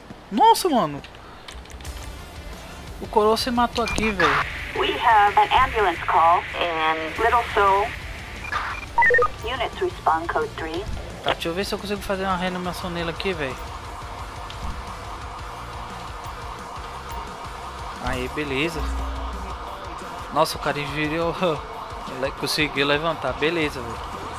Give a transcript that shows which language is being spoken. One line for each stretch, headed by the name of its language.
Portuguese: Nossa, mano. O coroa se matou aqui, velho.
English: We have an ambulance call in Little Soul. Units respond code 3.
Portuguese: Tá, deixa eu ver se eu consigo fazer uma reanimação nele aqui, velho. Aí, beleza. Nossa, o cara virou. Conseguiu levantar. Beleza, velho.